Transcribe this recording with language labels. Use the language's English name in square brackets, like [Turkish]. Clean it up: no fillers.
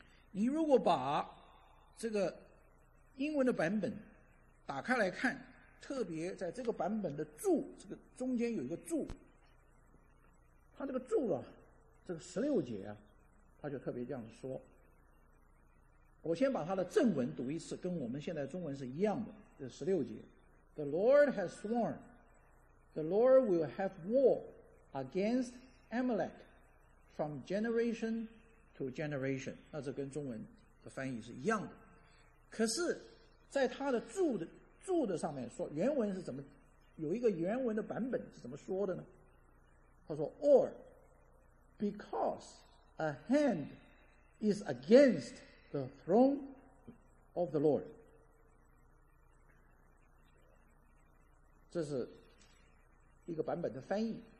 [Chinese] 你如果把这个英文的版本打开来看，特别在这个版本的注，这个中间有一个注，它这个注啊，这个十六节啊，它就特别这样子说。我先把它的正文读一次，跟我们现在中文是一样的。这十六节 [English] ，The Lord has sworn, the Lord will have war against Amalek from generation to generation。 [Chinese] 那这跟中文的翻译是一样的，可是。在他的注的上面说，原文是怎么，有一个原文的版本是怎么说的呢？他说 [English] ，or because a hand is against the throne of the Lord， [Chinese] 这是一个版本的翻译。